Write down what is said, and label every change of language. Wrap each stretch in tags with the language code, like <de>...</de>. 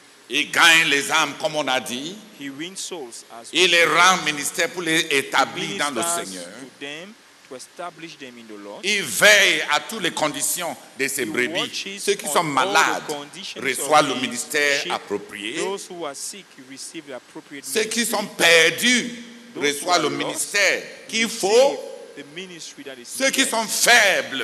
<fr>Il gagne les âmes, comme on a dit.</fr> <en>He wins souls, as</en> <fr>il les rend ministères pour les établir dans le Seigneur.</fr> <en>To them, to establish them in the Lord.</en> <fr>Il veille à toutes les conditions de ses brebis. Ceux qui sont malades reçoivent le ministère approprié.</fr> <en>Those who are sick receive the appropriate ministry.</en> <fr>Ceux qui sont perdus reçoivent le ministère qu'il faut.</fr> <en>The ministry that is</en> <fr>ceux</fr> <en>needed.</en> <fr>Qui sont faibles</fr>